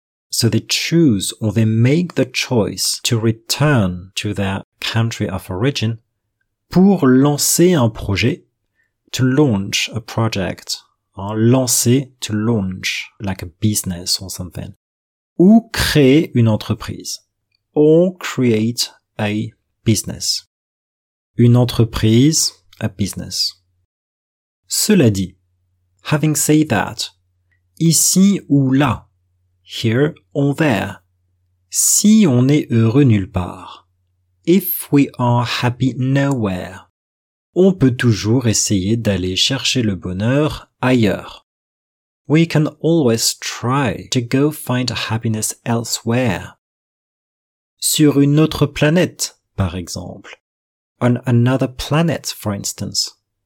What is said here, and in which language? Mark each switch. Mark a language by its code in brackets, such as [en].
[en] So they choose, or they make the choice, to return to their country of origin, [fr] pour lancer un projet, [en] to launch a project. Lancer, to launch, like a business or something. [fr] Ou créer une entreprise. [en] Or create a business. [fr] Une entreprise, [en] a business. [fr] Cela dit, [en] having said that, [fr] ici ou là, [en] here or there, [fr] si on est heureux nulle part, [en] if we are happy nowhere, [fr] on peut toujours essayer d'aller chercher le bonheur ailleurs. [en] We can always try to go find happiness elsewhere. [fr] Sur une autre planète, par exemple. [en] On another planet, for instance.